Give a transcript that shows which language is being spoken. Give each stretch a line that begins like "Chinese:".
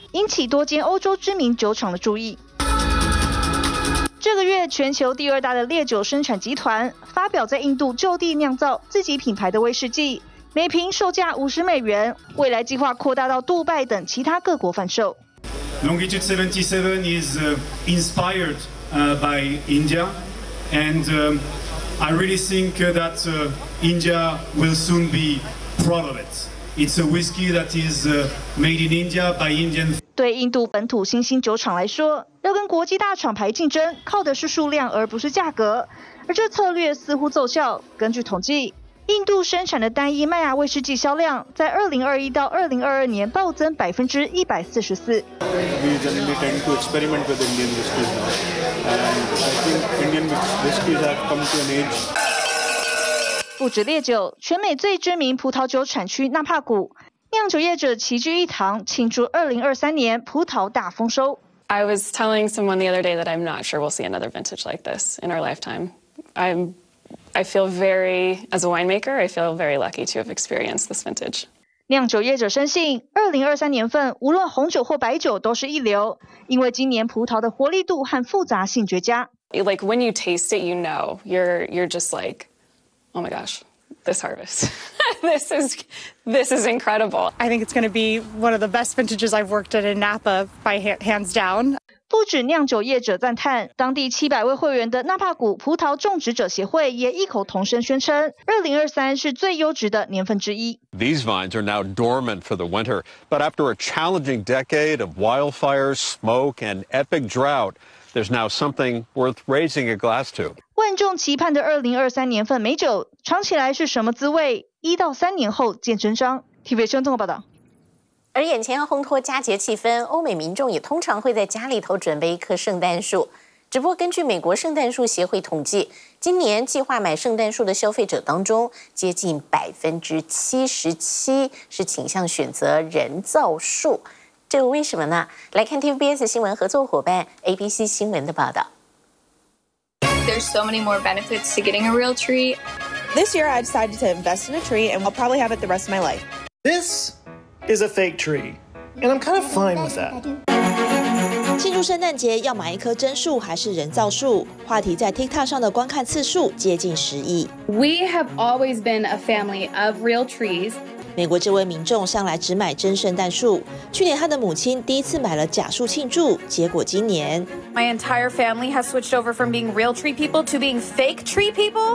Chinese: 引起多间欧洲知名酒厂的注意。这个月，全球第二大的烈酒生产集团发表在印度就地酿造自己品牌的威士忌，每瓶售价50美元，未来计划扩大到杜拜等其他各国贩售。
English: Longitude 77 is inspired by India, and I really think that India will soon be proud of it. It's a whiskey that is made in India by Indian.
Chinese: 对印度本土新兴酒厂来说，要跟国际大厂牌竞争，靠的是数量而不是价格。而这策略似乎奏效。根据统计，印度生产的单一麦芽威士忌销量在2021到2022年暴增144%。
English: We generally tend to experiment with Indian whiskies, and I think Indian whiskies have come to an age.
Chinese: 不止烈酒，全美最知名葡萄酒产区纳帕谷酿酒业者齐聚一堂，庆祝2023年葡萄大丰收。
English: I was telling someone the other day that I'm not sure we'll see another vintage like this in our lifetime. I feel very, as a winemaker, I feel very lucky to have experienced this vintage.
Chinese: 酿酒业者深信2023年份无论红酒或白酒都是一流，因为今年葡萄的活力度和复杂性绝佳。
English: Like when you taste it, you know, you're just like, oh my gosh, this harvest. this is incredible. I think it's going to be one of the best vintages I've worked at in Napa by hands down.
Chinese: 不止酿酒业者赞叹，当地700位会员的纳帕谷葡萄种植者协会也异口同声宣称，2023是最优质的年份之一。
English: These vines are now dormant for the winter, but after a challenging decade of wildfires, smoke, and epic drought, there's now something worth raising a glass to.
Chinese: 万众期盼的2023年份美酒尝起来是什么滋味？ 1到3年后见真章。TVBS 新闻综合报道。而眼前烘托佳节气氛，欧美民众也通常会在家里头准备一棵圣诞树。只不过根据美国圣诞树协会统计，今年计划买圣诞树的消费者当中，接近77%是倾向选择人造树。这为什么呢？来看 TVBS 新闻合作伙伴 ABC 新闻的报道。
English: There's so many more benefits to getting a real tree. This year I decided to invest in a tree and I'll probably have it the rest of my life. This is a fake tree, and I'm kind of fine with that.
Chinese: 庆祝圣诞节要买一棵真树还是人造树？话题在 TikTok 上的观看次数接近10亿。
English: We have always been a family of real trees.
Chinese: 美国这位民众向来只买真圣诞树。去年他的母亲第一次买了假树庆祝，结果今年
English: My entire family has switched over from being real tree people to being fake tree people.